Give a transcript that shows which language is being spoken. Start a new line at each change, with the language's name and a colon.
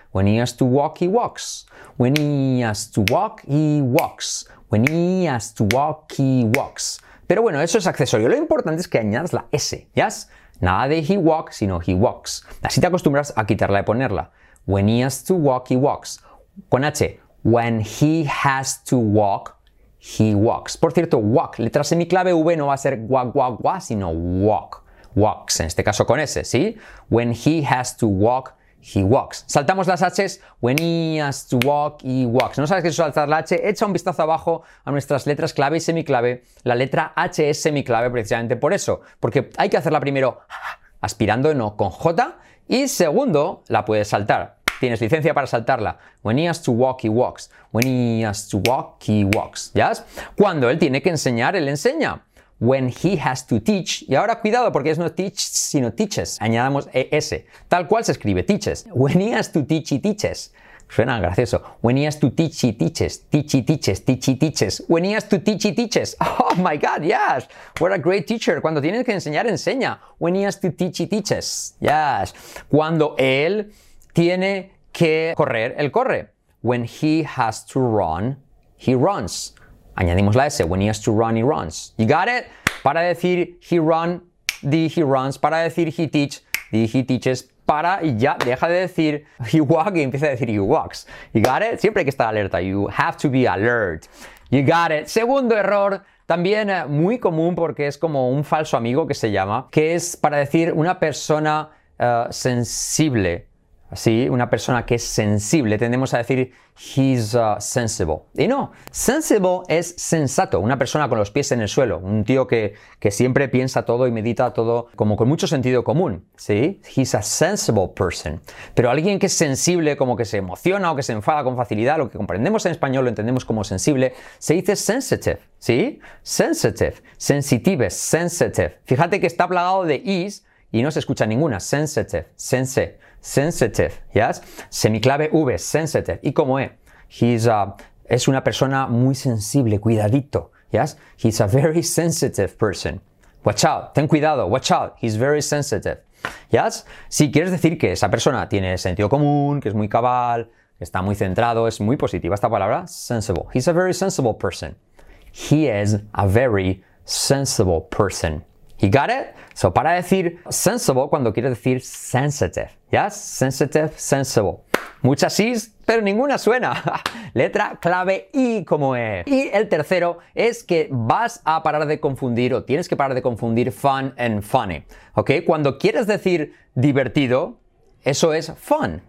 English: When he has to walk, he walks. When he has to walk, he walks. When he has to walk, he walks.
Spanish: Pero bueno, eso es accesorio. Lo importante es que añadas la S, ¿yes? Nada de he walks, sino he walks. Así te acostumbras a quitarla y ponerla.
English: When he has to walk, he walks.
Spanish: Con H.
English: When he has to walk, he walks.
Spanish: Por cierto, walk. Letra semiclave V no va a ser gua, gua, gua, sino walk. Walks, en este caso con S, ¿sí?
English: When he has to walk, he walks.
Spanish: Saltamos las H's.
English: When he has to walk, he walks.
Spanish: ¿No sabes qué es saltar la H? Echa un vistazo abajo a nuestras letras clave y semiclave. La letra H es semiclave precisamente por eso. Porque hay que hacerla primero aspirando, no con J. Y segundo, la puedes saltar. Tienes licencia para saltarla.
English: When he has to walk, he walks. When he has to walk, he walks. ¿Ya? ¿Yes?
Spanish: Cuando él tiene que enseñar, él enseña.
English: When he has to teach.
Spanish: Y ahora cuidado porque es no teach, sino teaches. Añadamos ES. Tal cual se escribe teaches.
English: When he has to teach, he teaches.
Spanish: Suena gracioso.
English: When he has to teach, he teaches. Teach, he teaches. Teach, he teaches. When he has to teach, he teaches. Oh my God, yes. What a great teacher.
Spanish: Cuando tienes que enseñar, enseña.
English: When he has to teach, he teaches. Yes.
Spanish: Cuando él tiene que correr, él corre.
English: When he has to run, he runs.
Spanish: Añadimos la S.
English: When he has to run, he runs. You got it?
Spanish: Para decir
English: he run, di he runs.
Spanish: Para decir
English: he teach,
Spanish: di
English: he teaches.
Spanish: Para y ya, deja de decir
English: he walk
Spanish: y empieza a decir
English: he walks. You got it?
Spanish: Siempre hay que estar alerta.
English: You have to be alert. You got it?
Spanish: Segundo error, también muy común porque es como un falso amigo que se llama, que es para decir una persona sensible. Sí, una persona que es sensible. Tendemos a decir
English: he's sensible.
Spanish: Y no, sensible es sensato. Una persona con los pies en el suelo. Un tío que siempre piensa todo y medita todo como con mucho sentido común. ¿Sí?
English: He's a sensible person.
Spanish: Pero alguien que es sensible, como que se emociona o que se enfada con facilidad, lo que comprendemos en español lo entendemos como sensible, se dice sensitive.
English: ¿Sí? Sensitive. Sensitive. Sensitive.
Spanish: Fíjate que está plagado de is y no se escucha ninguna.
English: Sensitive. Sense. Sensitive, ¿yes? Semiclave V, sensitive.
Spanish: ¿Y cómo es?
English: He's a,
Spanish: es una persona muy sensible, cuidadito, ¿yes?
English: He's a very sensitive person. Watch out,
Spanish: ten cuidado,
English: watch out, he's very sensitive, ¿yes?
Spanish: Si quieres decir que esa persona tiene sentido común, que es muy cabal, que está muy centrado, es muy positiva esta palabra, sensible.
English: He's a very sensible person. He is a very sensible person. You got it?
Spanish: So, para decir sensible, cuando quieres decir sensitive. ¿Yes? Sensitive, sensible. Muchas is, pero ninguna suena. Letra clave I como E. Y el tercero es que vas a parar de confundir o tienes que parar de confundir
English: fun and funny.
Spanish: ¿Ok? Cuando quieres decir divertido, eso es fun.